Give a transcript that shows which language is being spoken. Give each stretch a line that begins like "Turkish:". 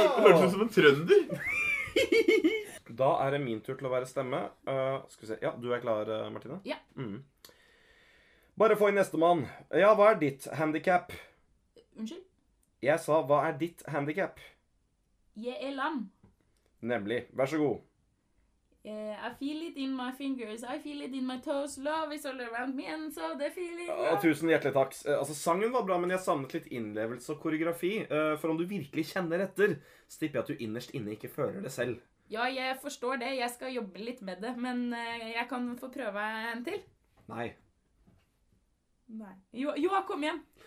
Norwegian: Hørte du som en trønder? Da er det min tur til å være stemme. Skal vi se. Ja, du er klar, Martine? Ja. Bare få inn neste mann. Ja, hva er ditt handicap? Unnskyld? Jeg sa, hva er ditt handicap? Jeg er lam. Nemlig. Vær så god.
English: I feel it in my fingers, I feel it in my toes, love is all around me, and so the feeling...
Norwegian: Ja, tusen hjertelig takk. Altså, sangen var bra, men jeg savnet litt innlevelse og koreografi. For om du virkelig kjenner etter, stipper jeg at du innerst inne ikke føler det selv. Ja, jeg forstår det. Jeg skal jobbe litt med det, men jeg kan få prøve en til. Nei. Nei. Jo, kom igjen.